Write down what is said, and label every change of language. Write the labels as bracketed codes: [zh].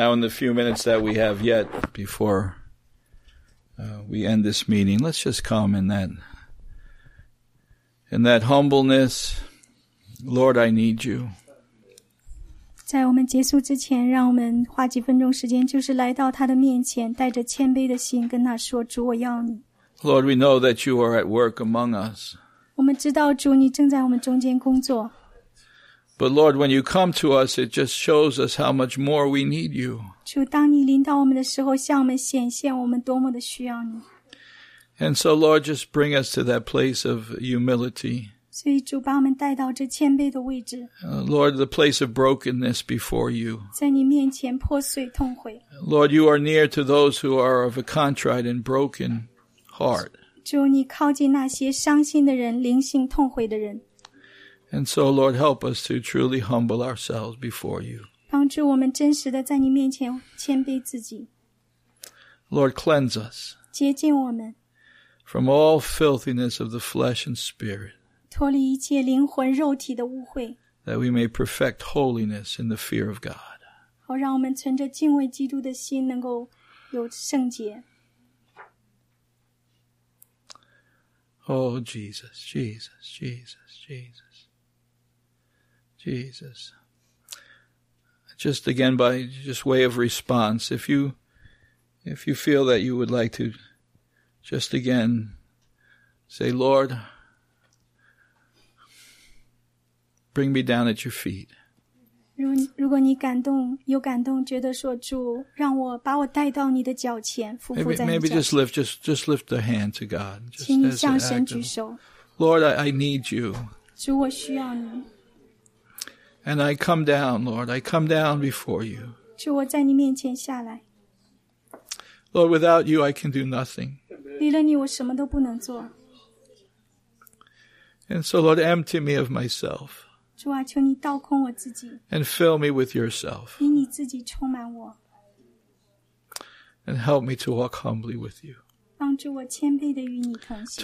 [en] Few minutes that we have yet before we end this meeting, let's just come in that humbleness. Lord, I need you. [zh] 在我们结束之前，让我们花几分钟时间，就是来到他的面前，带着谦卑的心跟他说：“主，我要你。” [en] Lord, we know that you are at work among us. [zh] 我们知道主你正在我们中间工作。 [en] But Lord, when you come to us, it just shows us how much more we need you. [zh] 主，当你临到我们的时候，向我们显现我们多么的需要你。 [en] And so, Lord, just bring us to that place of humility. [zh] 所以主把我们带到这谦卑的位置。 [en] Lord, the place of brokenness before you. [zh] 在你面前破碎痛悔。 [en] Lord, you are near to those who are of a contrite and broken heart. [zh] 主，你靠近那些伤心的人，灵性痛悔的人。 [en] And so, Lord, help us to truly humble ourselves before you. [zh] 帮助我们真实地在你面前谦卑自己。 [en] Lord, cleanse us. [zh] 洁净我们。 [en] From all filthiness of the flesh and spirit. [zh] 脱离一切灵魂肉体的污秽。 [en] That we may perfect holiness in the fear of God. [zh] 好，让我们存着敬畏基督的心，能够有圣洁。 [en] Oh, Jesus, Jesus, Jesus, Jesus. Jesus. Just again, by just way of response, if you feel that you would like to just again say, Lord, bring me down at your feet. [zh] 如果你感动，有感动，觉得说主，让我把我带到你的脚前。 [en] Maybe just lift the hand to God. Just [zh] 请你向神举手。 [en] Lord, I need you. [zh] 主，我需要你。 [en] And I come down, Lord, I come down before you. [zh] 主，我在你面前下来。 [en] Lord, without you, I can do nothing. [zh] 离了你，我什么都不能做。 [en] And so, Lord, empty me of myself. [zh] 主啊，求你倒空我自己。 [en] And fill me with yourself. [zh] 以你自己充满我。 [en] And help me to walk humbly with you. [zh] 帮助我谦卑地与你同行。